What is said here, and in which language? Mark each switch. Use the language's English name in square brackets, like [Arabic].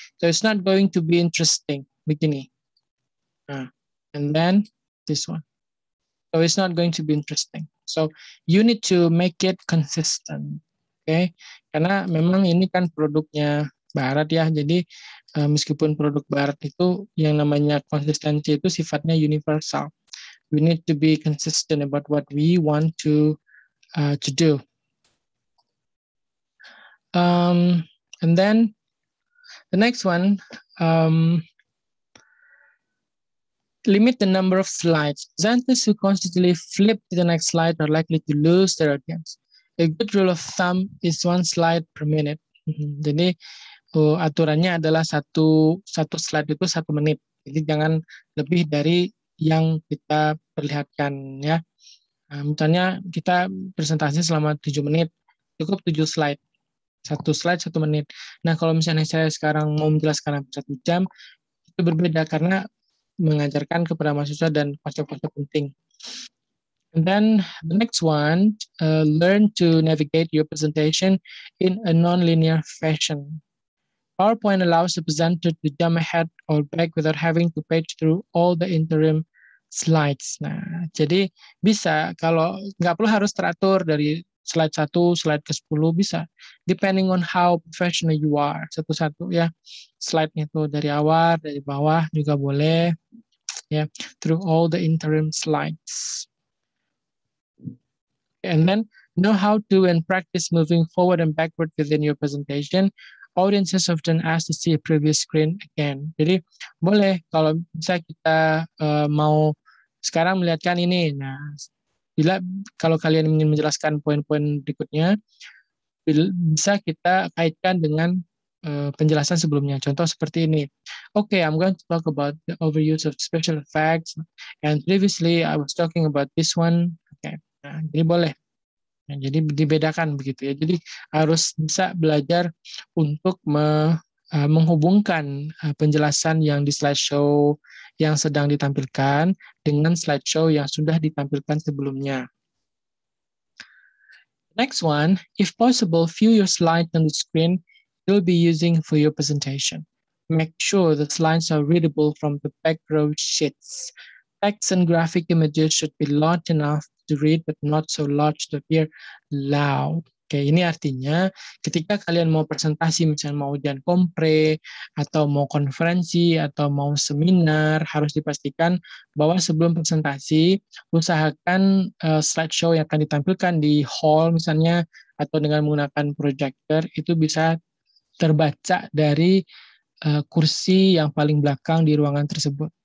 [English] So it's not going to be interesting. [Indonesian] Begini. [English] Nah, and then this one. So it's not going to be interesting. So you need to make it consistent. Okay? [Indonesian] Karena memang ini kan produknya barat ya. Jadi meskipun produk barat itu yang namanya konsistensi itu sifatnya universal. [English] We need to be consistent about what we want to do. And then the next one, limit the number of slides. Presenters who constantly flip to the next slide are likely to lose their audience. A good rule of thumb is one slide per minute. [Indonesian] Jadi aturannya adalah satu slide itu 1 menit. Jadi jangan lebih dari yang kita perlihatkan ya. Nah, misalnya kita presentasi selama 7 menit, cukup 7 slide. Satu slide 1 menit. Nah, kalau misalnya saya sekarang mau menjelaskan hampir 1 jam, itu berbeda karena mengajarkan kepada mahasiswa dan konsep-konsep penting. [English] And then the next one, learn to navigate your presentation in a non-linear fashion. PowerPoint allows the presenter to jump ahead or back without having to page through all the interim slides. [Indonesian] Nah, jadi bisa kalau nggak perlu harus teratur dari slide 1, slide ke 10 bisa. [English] Depending on how professional you are. [Indonesian] Satu-satu ya. Slide-nya itu dari awal, dari bawah juga boleh. [English] Ya, through all the interim slides. And then, know how to and practice moving forward and backward within your presentation. Audiences often ask to see a previous screen again. [Indonesian] Jadi, boleh kalau bisa kita mau sekarang melihatkan ini. Nah, bila kalau kalian ingin menjelaskan poin-poin berikutnya, bisa kita kaitkan dengan penjelasan sebelumnya. Contoh seperti ini. [English] Okay, I'm going to talk about the overuse of special effects. And previously, I was talking about this one. [Indonesian] Okay. Nah, jadi boleh. Nah, jadi dibedakan begitu ya. Jadi harus bisa belajar untuk menghubungkan penjelasan yang di slideshow yang sedang ditampilkan dengan slideshow yang sudah ditampilkan sebelumnya. [English] Next one, if possible, view your slides on the screen you'll be using for your presentation. Make sure the slides are readable from the back row sheets. Text and graphic images should be large enough to read, but not so large to appear loud. [Indonesian] Oke, ini artinya ketika kalian mau presentasi, misalnya mau ujian kompre, atau mau konferensi, atau mau seminar, harus dipastikan bahwa sebelum presentasi, usahakan slideshow yang akan ditampilkan di hall misalnya, atau dengan menggunakan proyektor, itu bisa terbaca dari kursi yang paling belakang di ruangan tersebut.